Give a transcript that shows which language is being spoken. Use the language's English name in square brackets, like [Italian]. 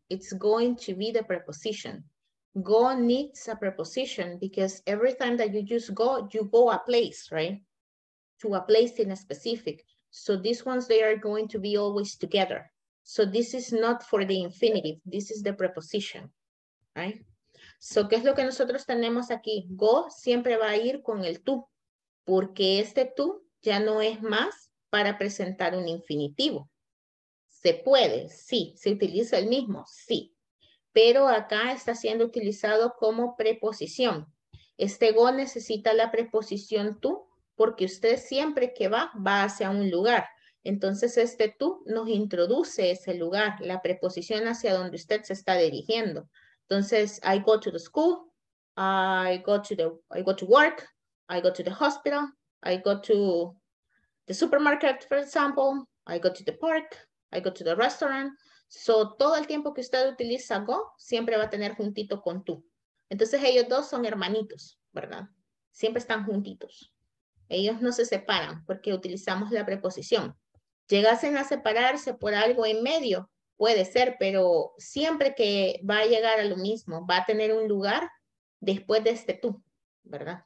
[English] It's going to be the preposition. Go needs a preposition because every time that you use go, you go a place, right? To a place in a specific. So these ones, they are going to be always together. So this is not for the infinitive. This is the preposition, right? [Spanish] So ¿qué es lo que nosotros tenemos aquí? Go siempre va a ir con el tú, porque este tú ya no es más para presentar un infinitivo. ¿Se puede? Sí. ¿Se utiliza el mismo? Sí. Pero acá está siendo utilizado como preposición. Este go necesita la preposición tú, porque usted siempre que va, va hacia un lugar. Entonces este tú nos introduce ese lugar, la preposición hacia donde usted se está dirigiendo. [English] Entonces, I go to the school, I go to work, I go to the hospital, I go to the supermarket, for example, I go to the park, I go to the restaurant. [Spanish] So, todo el tiempo que usted utiliza go, siempre va a tener juntito con tú. Entonces, ellos dos son hermanitos, ¿verdad? Siempre están juntitos. Ellos no se separan porque utilizamos la preposición. Llegasen a separarse por algo en medio, puede ser, pero siempre que va a llegar a lo mismo, va a tener un lugar después de este tú, ¿verdad?